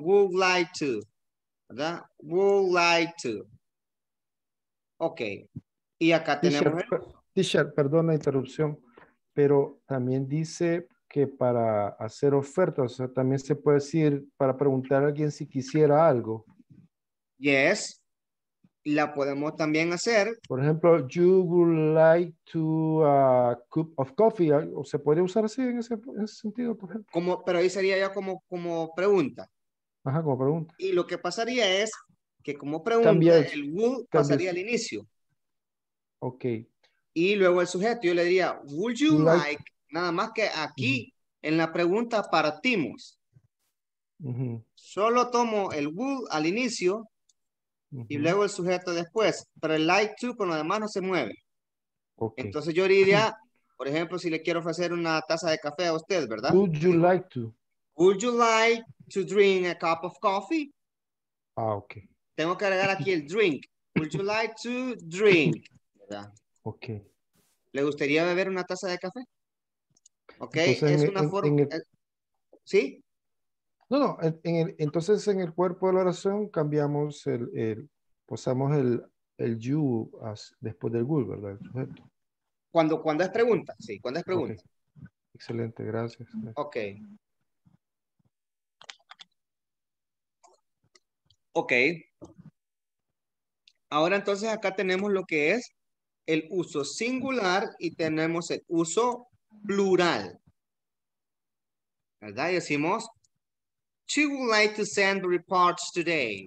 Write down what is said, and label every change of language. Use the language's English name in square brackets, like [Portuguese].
[English] Would like to. [Spanish] ¿Verdad? [English] Would like to. Ok. [Spanish] Y acá tenemos. Teacher, perdón la interrupción, pero también dice que para hacer ofertas, o sea, también se puede decir para preguntar a alguien si quisiera algo. Yes. La podemos también hacer. Por ejemplo, [English] you would like to a cup of coffee. [Spanish] ¿O se podría usar así en ese sentido? Por ejemplo. Como, pero ahí sería ya como pregunta. Ajá, como pregunta. Y lo que pasaría es que como pregunta, cambias, el would cambias. Pasaría al inicio. Ok. Y luego el sujeto, yo le diría, [English] would you like, [Spanish] nada más que aquí en la pregunta partimos. Solo tomo el would al inicio. Y luego el sujeto después. Pero el like to con lo demás no se mueve. Okay. Entonces yo diría, por ejemplo, si le quiero ofrecer una taza de café a usted, ¿verdad? [English] Would you like to? Would you like to drink a cup of coffee? Ah, ok. [Spanish] Tengo que agregar aquí el drink. [English] Would you like to drink? [Spanish] ¿Verdad? Ok. ¿Le gustaría beber una taza de café? Ok. Entonces, es una forma. ¿Sí? No, no, entonces en el cuerpo de la oración cambiamos el posamos el you as, después del will, ¿verdad? El sujeto. Cuando es pregunta, sí, cuando es pregunta. Okay. Excelente, gracias. Ok. Ok. Ahora entonces acá tenemos lo que es el uso singular y tenemos el uso plural. ¿Verdad? Y decimos, [English] she would like to send reports today.